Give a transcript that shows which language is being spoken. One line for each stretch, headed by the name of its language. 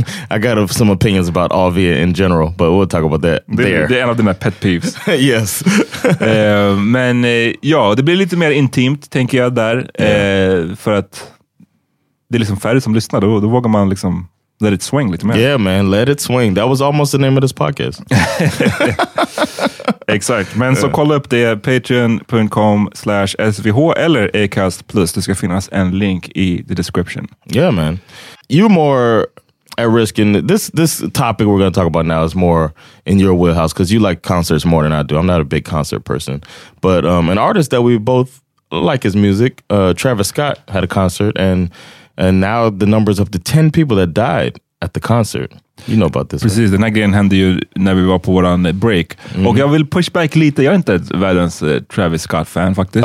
English: I got some opinions about AV in general, but we'll talk about that there.
Swedish: Det är en av de där
English: pet peeves. Yes.
Swedish: Men ja, det blir lite mer intimt, tänker jag, där.
English: Yeah.
Swedish: För att det är liksom färre som lyssnar, då vågar man liksom
English: let it swing
Swedish: lite mer.
English: Yeah, man, let it swing. That was almost the name of this podcast.
Swedish: Exakt, men så kolla upp det, patreon.com/svh eller Acast Plus. Det ska finnas en link i
English: the description. Yeah, man. You're more at risk in this topic we're going to talk about now is more in your wheelhouse because you like concerts more than I do. I'm not a big concert person. But an artist that we both like his music, Travis Scott, had a concert. And now the numbers of the 10 people that died at the concert. You know about this.
Swedish: Precis,
English: right?
Swedish: Den här grejen hände ju när vi var på våran break. Mm. Och jag vill
English: push back
Swedish: lite. Jag är inte världens Travis Scott-fan faktiskt.